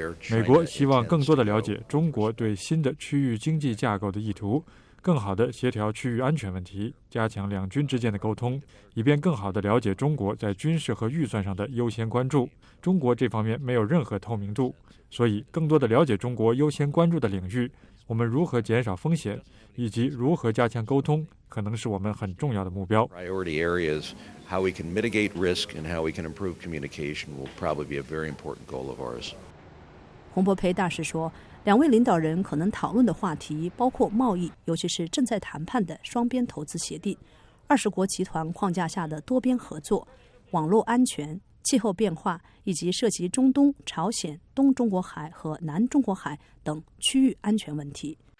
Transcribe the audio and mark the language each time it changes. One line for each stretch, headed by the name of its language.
Chinese: 美国希望更多的了解中国对新的区域经济架构的意图，更好的协调区域安全问题，加强两军之间的沟通，以便更好的了解中国在军事和预算上的优先关注。中国这方面没有任何透明度，所以更多的了解中国优先关注的领域，我们如何减少风险，以及如何加强沟通，可能是我们很重要的目标。
English: How we can mitigate risk and how we can improve communication will probably be a very important goal of ours.
Chinese: 洪博培大使说，两位领导人可能讨论的话题包括贸易，尤其是正在谈判的双边投资协定、二十国集团框架下的多边合作、网络安全、气候变化，以及涉及中东、朝鲜、东中国海和南中国海等区域安全问题。